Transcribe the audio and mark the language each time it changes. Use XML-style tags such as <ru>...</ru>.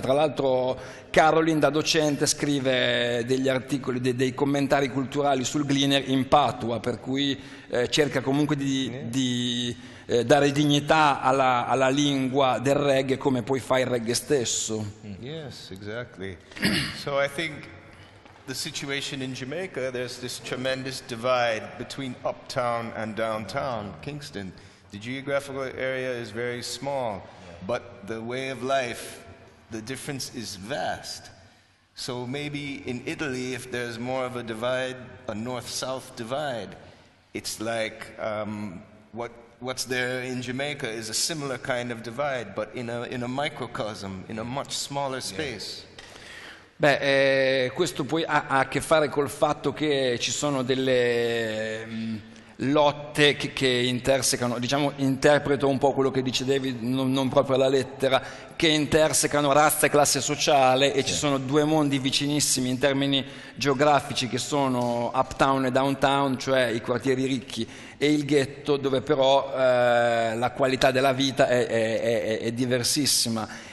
<it>Tra l'altro Caroline, da docente, scrive degli articoli, dei commentari culturali sul Gleaner in patua, per cui cerca comunque di dare dignità alla lingua del reggae come poi fa il reggae stesso.</it> <en>Yes, exactly. So I think the situation in Jamaica, there's this tremendous divide between uptown and downtown Kingston. The geographical area is very small, but the way of life, the difference is vast. So maybe in Italy, if there's more of a divide, a north-south divide, it's like what's there in Jamaica is a similar kind of divide, but in a microcosm, in a much smaller space.</en> <it>Beh, questo poi ha a che fare col fatto che ci sono delle lotte che intersecano, diciamo, interpreto un po' quello che dice David, non proprio alla lettera, che intersecano razza e classe sociale, e ci sono due mondi vicinissimi in termini geografici che sono uptown e downtown, cioè i quartieri ricchi e il ghetto, dove però la qualità della vita è diversissima.</it>